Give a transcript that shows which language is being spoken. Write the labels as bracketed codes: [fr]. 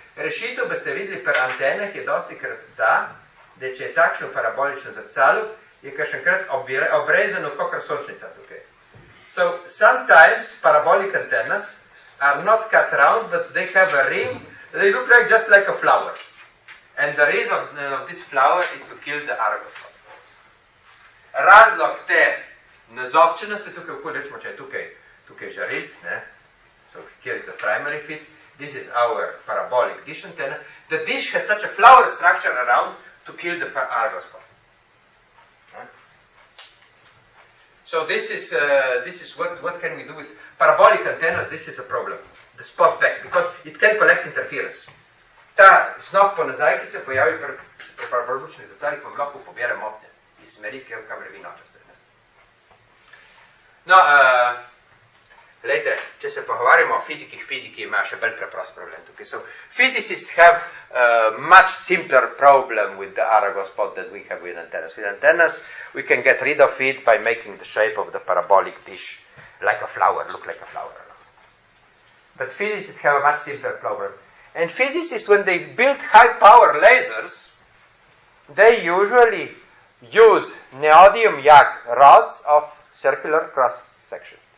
[sl] Rešitev boste videli pri antenah je dosti krat ta, da če je takšno parabolično zrcalo, je kakšen krat obrezano kakor sončnica tukaj. [en] So, sometimes parabolic antennas are not cut round, but they have a ring. They look like just like a flower. And the reason of this flower is to kill the Aragove spot. [sl] Razlog te nezobčenosti, tukaj vkud rečemo, če je tukaj žarilc, ne? [en] So, here is the primary feed. This is our parabolic dish antenna. The dish has such a flower structure around to kill the Aragove spot. So this is what can we do with parabolic antennas? This is a problem. The spot back, because it can collect interference. [sl] Ta snop po nazaj, ki se pojavi pri parabolični zrcali, ko lahko pobere motnje iz smeri, kamer vi nočete. No, Glejte, če se pogovarjamo o fizikih, fiziki imajo še bolj preprost problem tukaj. [en] So physicists have a much simpler problem with the Arago spot that we have with antennas. With antennas, we can get rid of it by making the shape of the parabolic dish like a flower, look like a flower. But physicists have a much simpler problem. And physicists, when they build high-power lasers, they usually use neodymium yak rods of circular cross-section.